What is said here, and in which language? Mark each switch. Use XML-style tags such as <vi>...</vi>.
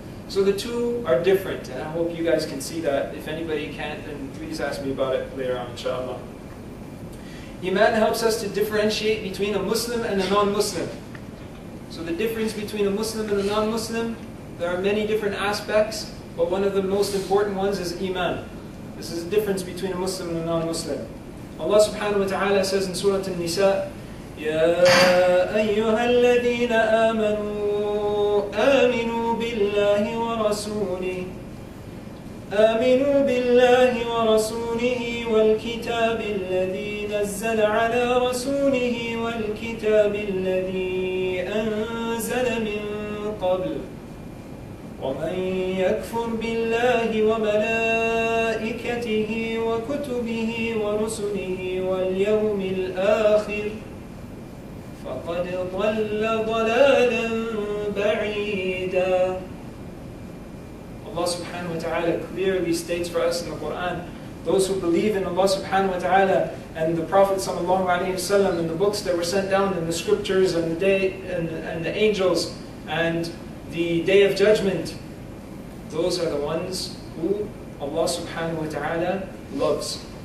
<en>So the two are different, and I hope you guys can see that. If anybody can't, then please ask me about it later on, inshallah. Iman helps us to differentiate between a Muslim and a non-Muslim. So the difference between a Muslim and a non-Muslim, there are many different aspects, but one of the most important ones is Iman. This is the difference between a Muslim and a non-Muslim. Allah subhanahu wa ta'ala says in Surah An-Nisa,</en> <ar>يَا أَيُّهَا الَّذِينَ آمَنُوا آمِنُوا بِاللَّهِ وَرَسُولِهِ آمِنُوا بِاللَّهِ وَرَسُولِهِ وَالْكِتَابِ الَّذِي نَزَّلَ عَلَى رَسُولِهِ وَالْكِتَابِ الَّذِي أَنزَلَ مِن قَبْلُ وَمَن يَكْفُرْ بِاللَّهِ وَمَلَائِكَتِهِ وَكُتُبِهِ وَرُسُلِهِ وَالْيَوْمِ الْآخِرِ فَقَدْ ضَلَّ ضَلَالًا بَعِيدًا.</ar> <en>Allah subhanahu wa ta'ala clearly states for us in the Quran, those who believe in Allah subhanahu wa ta'ala and the Prophet sallallahu alayhi wa sallam and the books that were sent down and the scriptures and the angels and the Day of Judgment, those are the ones who Allah subhanahu wa ta'ala loves.</en>